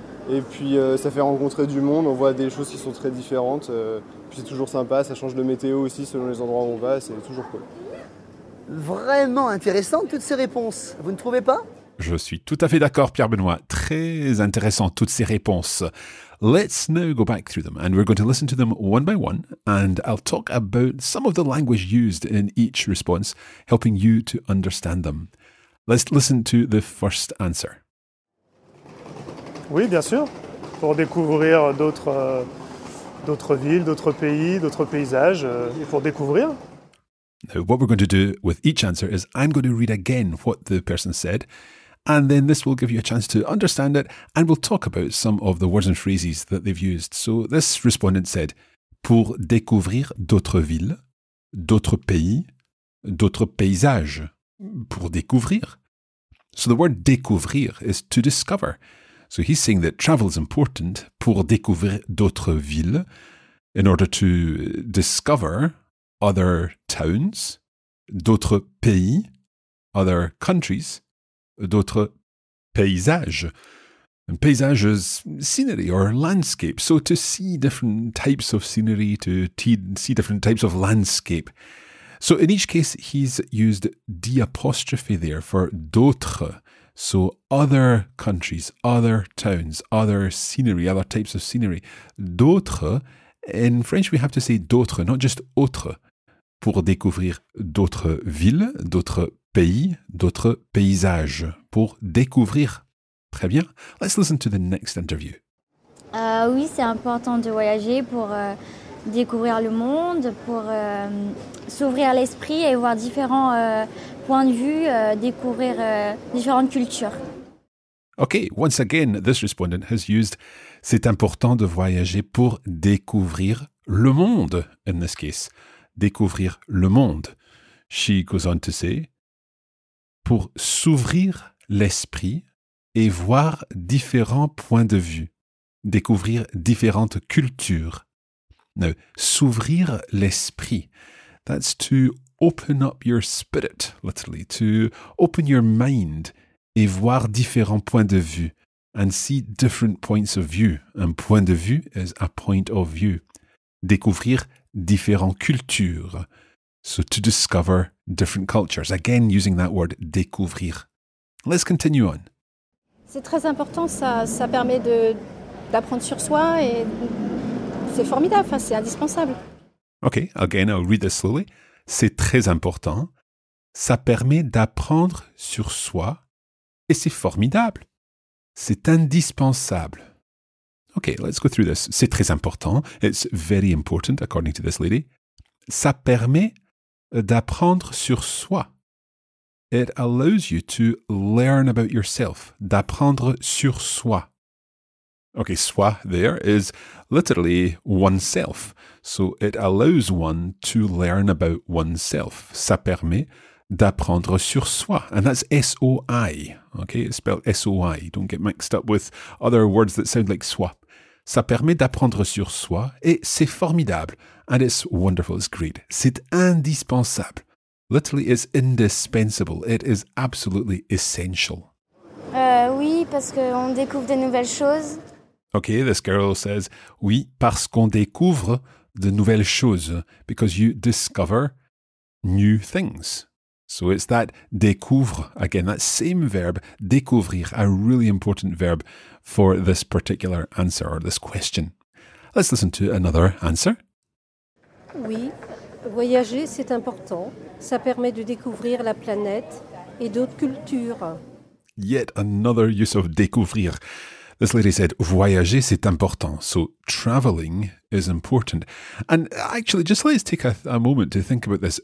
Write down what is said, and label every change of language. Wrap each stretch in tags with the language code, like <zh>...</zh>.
<fr>Et puis ça fait rencontrer du monde, on voit des choses qui sont très différentes. Puis c'est toujours sympa, ça change de météo aussi selon les endroits où on va, c'est toujours cool. Vraiment intéressant toutes ces réponses, vous ne trouvez pas? Je suis tout à fait d'accord Pierre Benoit, très intéressant toutes ces réponses.</fr> <en>Let's now go back through them and we're going to listen to them one by one and I'll talk about some of the language used in each response, helping you to understand them. Let's listen to the first answer.</en> <fr>Oui, bien sûr, pour découvrir d'autres villes, d'autres pays, d'autres paysages, pour découvrir.</fr> <en>Now, what we're going to do with each answer is I'm going to read again what the person said, and then this will give you a chance to understand it, and we'll talk about some of the words and phrases that they've used. So this respondent said,</en> <fr>pour découvrir d'autres villes, d'autres pays, d'autres paysages, pour découvrir.</fr> <en>So the word découvrir is to discover. So he's saying that travel is important</en> <fr>pour découvrir d'autres villes,</fr> <en>in order to discover other towns,</en> <fr>d'autres pays,</fr> <en>other countries,</en> <fr>d'autres paysages.</fr> <en>And paysage is scenery or landscape. So to see different types of scenery, to see different types of landscape. So in each case, he's used the apostrophe there for d'autres. So other countries, other towns, other scenery, other types of scenery. D'autres In French, we have to say</en> <fr>d'autres, not just autres, pour découvrir d'autres villes, d'autres pays, d'autres paysages, pour découvrir. Très bien.</fr> <en>Let's listen to the next interview.</en> <fr>Oui, c'est important de voyager pour découvrir le monde, pour s'ouvrir l'esprit et voir différents points de vue, découvrir différentes cultures.</fr> <en>OK, once again, this respondent has used «</en> <fr>c'est important de voyager pour découvrir le monde</fr> <en>» in this case.</en> <fr>Découvrir le monde.</fr> <en>She goes on to say</en> <fr>« pour s'ouvrir l'esprit et voir différents points de vue. Découvrir différentes cultures. » Now, s'ouvrir l'esprit.</fr> <en>That's to open up your spirit, literally. To open your mind</en> <fr>et voir différents points de vue.</fr> <en>And see different points of view.</en> <fr>Un point de vue</fr> <en>is a point of view.</en> <fr>Découvrir différentes cultures.</fr> <en>So to discover different cultures. Again, using that word, découvrir. Let's continue on.</en> <fr>C'est très important, ça permet d'apprendre sur soi et c'est formidable, enfin, c'est indispensable.</fr> <en>OK, again, I'll read this slowly.</en> <fr>C'est très important, ça permet d'apprendre sur soi et c'est formidable. C'est indispensable.</fr> <en>OK, let's go through this.</en> <fr>C'est très important.</fr> <en>It's very important, according to this lady.</en> <fr>Ça permet d'apprendre sur soi.</fr> <en>It allows you to learn about yourself,</en> <fr>d'apprendre sur soi.</fr> <en>OK, soi there is literally oneself. So it allows one to learn about oneself.</en> <fr>Ça permet d'apprendre sur soi.</fr> <en>And that's S-O-I. OK, it's spelled S-O-I. Don't get mixed up with other words that sound like soi.</en> <fr>Ça permet d'apprendre sur soi et c'est formidable.</fr> <en>And it's wonderful, it's great.</en> <fr>C'est indispensable.</fr> <en>Literally, it's indispensable. It is absolutely essential.</en> <fr>Oui, parce qu'on découvre de nouvelles choses.</fr> <en>OK, this girl says,</en> <fr>oui, parce qu'on découvre de nouvelles choses.</fr> <en>Because you discover new things. So it's that découvre, again, that same verb, découvrir, a really important verb for this particular answer or this question. Let's listen to another answer.</en> <fr>Oui, voyager, c'est important. Ça permet de découvrir la planète et d'autres cultures.</fr> <en>Yet another use of découvrir. This lady said,</en> <fr>voyager, c'est important.</fr> <en>So traveling is important. And actually, just let's take a moment to think about this.</en>